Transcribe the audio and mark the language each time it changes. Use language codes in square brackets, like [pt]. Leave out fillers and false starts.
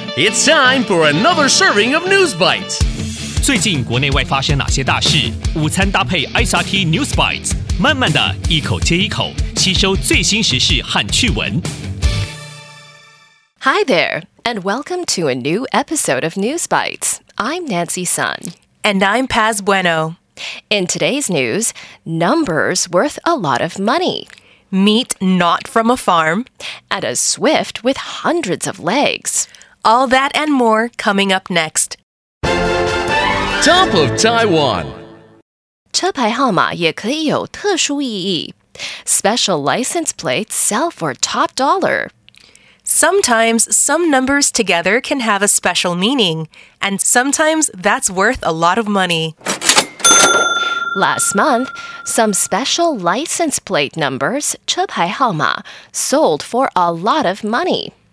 [en] It's time for another serving of News Bites. [zh] 最近国内外发生哪些大事？午餐搭配 SRT News Bites， 慢慢的一口接一口，吸收最新时事和趣闻。 [en] Hi there, and welcome to a new episode of News Bites. I'm Nancy Sun. And I'm Paz Bueno. In today's news, numbers worth a lot of money. Meat not from a farm. And a swift with hundreds of legs. All that and more coming up next. Top of Taiwan. [zh] 车牌号码也可以有特殊意义。 [en] Special license plates sell for top dollar. Sometimes some numbers together can have a special meaning, and sometimes that's worth a lot of money. Last month, some special license plate numbers, 车牌号码, sold for a lot of money.